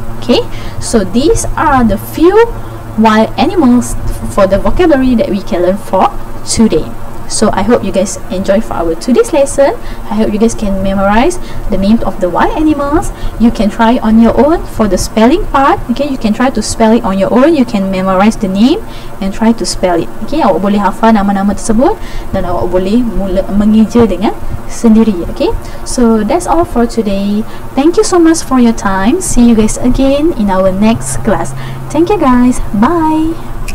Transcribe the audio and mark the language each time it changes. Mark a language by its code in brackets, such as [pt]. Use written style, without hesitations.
[en] Okay, so these are the few wild animals for the vocabulary that we can learn for today. So I hope you guys enjoy for our today's lesson. I hope you guys can memorize the names of the wild animals. You can try on your own for the spelling part. Okay, you can try to spell it on your own. You can memorize the name and try to spell it. [ms] Okay, awak boleh hafal nama-nama tersebut dan awak boleh mula mengeja dengan sendiri. [en] Okay, so that's all for today. Thank you so much for your time. See you guys again in our next class. Thank you guys. Bye.